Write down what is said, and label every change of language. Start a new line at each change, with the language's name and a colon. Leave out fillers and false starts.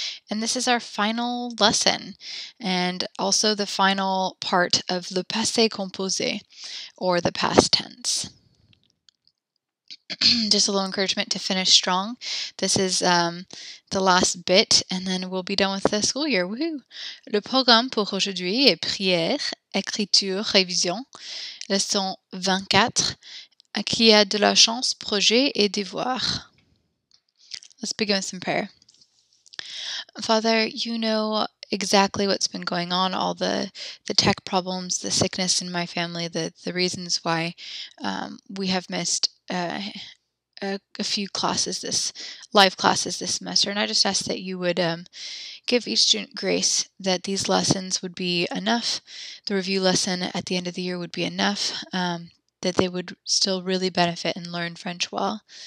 English: And this is our final lesson and also the final part of
French: le passé composé
English: or the past tense. Just a little encouragement to finish strong. This is the last bit and then we'll be done with the school year.
French: Woohoo! Le programme pour aujourd'hui est prière. Écriture, révision, leçon 24, à qui a de la chance, projet et devoir.
English: Let's begin with some prayer. Father, you know exactly what's been going on, all the tech problems, the sickness in my family, the reasons why we have missed a few classes, this live classes this semester. And I just ask that you would give each student grace, that these lessons would be enough, the review lesson at the end of the year would be enough, that they would still really benefit and learn French well.